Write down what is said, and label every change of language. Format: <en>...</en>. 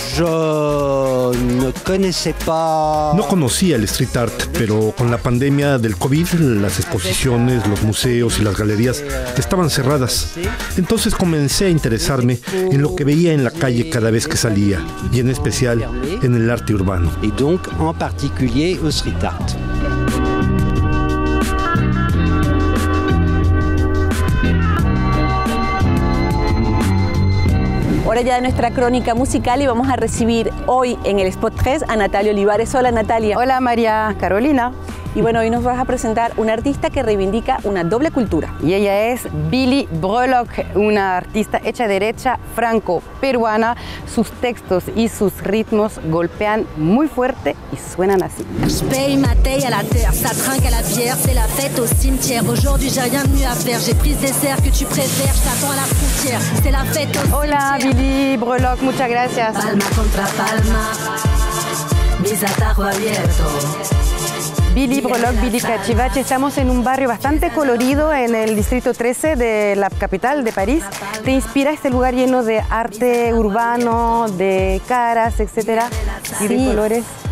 <es>No conocía el street art, pero con la pandemia del COVID, las exposiciones, los museos y las galerías estaban cerradas. Entonces comencé a interesarme en lo que veía en la calle cada vez que salía, y en especial en el arte urbano.</es> <fr>Y donc en particulier au street art.</fr> <es>Hora ya de nuestra crónica musical y vamos a recibir hoy en el Spot 3 a Natalia Olivares. Hola Natalia. Hola María Carolina. Y bueno, hoy nos vas a presentar una artista que reivindica una doble cultura. Y ella es Billy Brolock, una artista hecha derecha franco-peruana. Sus textos y sus ritmos golpean muy fuerte y suenan así.</es> <fr>Je paye ma taille à la terre, ça trinque à la bière, c'est la fête au cimetière. Aujourd'hui j'ai rien de mieux à faire, j'ai pris des airs que tu préfères, j'attends à la frontière, c'est la fête au cimetière.</fr> <es>Hola Billy Brolock, muchas gracias. Palma contra palma, mi gracias a Tajo Abierto. Billy Brolock, Billy Cachivache, estamos en un barrio bastante colorido en el distrito 13 de la capital de París. ¿Te inspira este lugar lleno de arte urbano, de caras, etcétera, y de colores?</es>